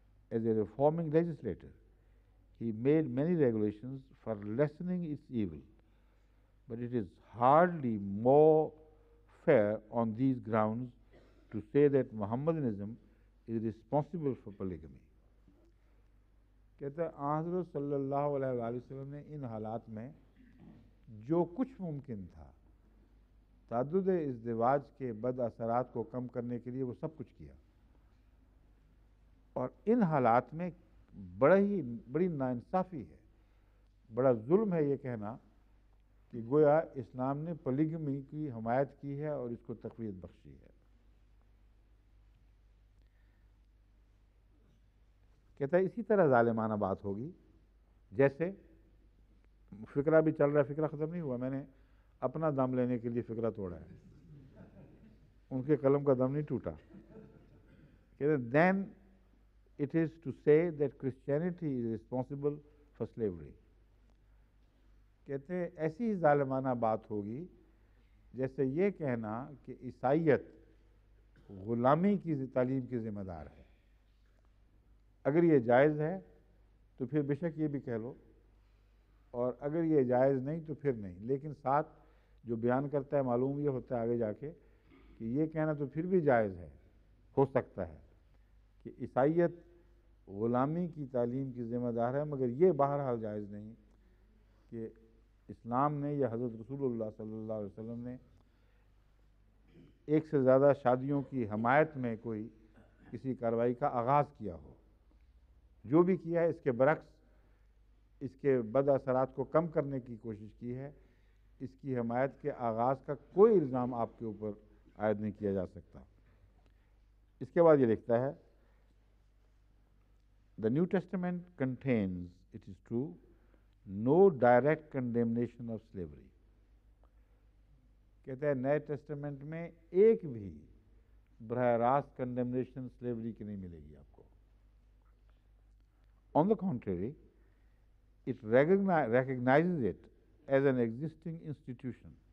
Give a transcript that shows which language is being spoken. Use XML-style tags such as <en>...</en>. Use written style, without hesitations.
<en>As a reforming legislator, he made many regulations for lessening its evil, but it is hardly more fair on these grounds to say that Muhammadanism is responsible for polygamy.</en> <ur>Kehta Hazrat sallallahu alaihi wasallam ne in halaat mein jo kuch mumkin tha تعدد ازدواج کے بد اثرات کو کم کرنے کے لیے وہ سب کچھ کیا اور ان حالات میں بڑی ناانصافی ہے بڑا ظلم ہے یہ کہنا کہ گویا اسلام نے پولیگمی کی حمایت کی ہے اور اس کو تقویت بخشی ہے. کہتا ہے اسی طرح ظالمانہ بات ہوگی جیسے فکرہ بھی چل رہا ہے فکرہ ختم نہیں ہوا میں نے اپنا دم لینے کے لیے فکرہ توڑا ہے ان کے قلم کا دم نہیں ٹوٹا. کہتے ہیں</ur> <en>then it is to say that Christianity is responsible for slavery.</en> <ur>کہتے ہیں ایسی ظالمانہ بات ہوگی جیسے یہ کہنا کہ عیسائیت غلامی کی تعلیم کی ذمہ دار ہے. اگر یہ جائز ہے تو پھر بشک یہ بھی کہہ لو اور اگر یہ جائز نہیں تو پھر نہیں, لیکن ساتھ جو بیان کرتا ہے معلوم یہ ہوتا ہے آگے جا کے کہ یہ کہنا تو پھر بھی جائز ہے, ہو سکتا ہے کہ عیسائیت غلامی کی تعلیم کی ذمہ دار ہے مگر یہ بہرحال جائز نہیں کہ اسلام نے یا حضرت رسول اللہ صلی اللہ علیہ وسلم نے ایک سے زیادہ شادیوں کی حمایت میں کوئی کسی کاروائی کا آغاز کیا ہو. جو بھی کیا ہے اس کے برعکس اس کے بد اثرات کو کم کرنے کی کوشش کی ہے, اس کی حمایت کے آغاز کا کوئی الزام آپ کے اوپر عائد نہیں کیا جا سکتا. اس کے بعد یہ لکھتا ہے</ur> <en>The New Testament contains, it is true, no direct condemnation of slavery.</en> <ur>کہتا ہے نئے ٹیسٹمنٹ میں ایک بھی براہ راست کنڈیمنیشن سلیوری کی نہیں ملے گی آپ کو.</ur> <en>On the contrary, it recognizes it as an existing institution.</en>